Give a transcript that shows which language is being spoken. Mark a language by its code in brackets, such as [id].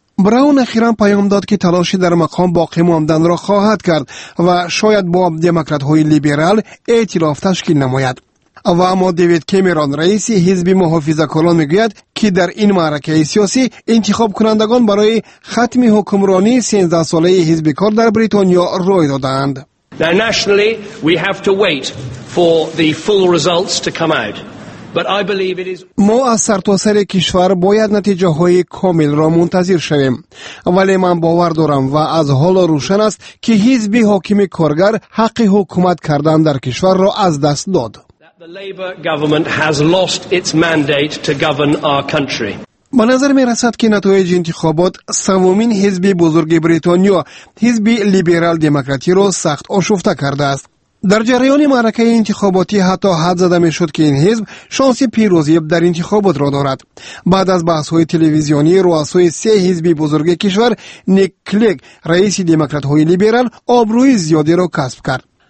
[fa] براون اخیراً پیام داد که تلاشی در مقام باقی ماندن را خواهد کرد و شاید با دموکرات های لیبرال ائتلاف تشکیل نماید. و اما دیوید کیمرون رئیس حزب محافظه‌کاران میگوید که در این معرکه سیاسی انتخاب کنندگان برای ختم حکمرانی 13 ساله حزب کار در بریتانیا رای دادند. [en] Now nationally we have to wait for the full results to come out. But I believe it is [fa] ما از سرتاسر کشور باید نتایج کامل را منتظر شویم. ولی من باور دارم و از حالا روشن است که حزب حاکم کارگر حق حکومت کردن در کشور را از دست داد. [en] The Labour government has lost its mandate to govern our country. [fa] به نظر می رسد که نتایج انتخابات سومین حزب بزرگ بریتانیا، حزب لیبرال دموکراتی را سخت آشفته کرده است. در جریان معرکه انتخاباتی حتی حد زده می شد که این حزب شانس پیروزی در انتخابات را دارد. بعد از بحث های تلویزیونی رؤسای سه حزب بزرگ کشور، نیک کلیگ رئیس دموکرات های لیبرال آبروی زیادی را کسب کرد.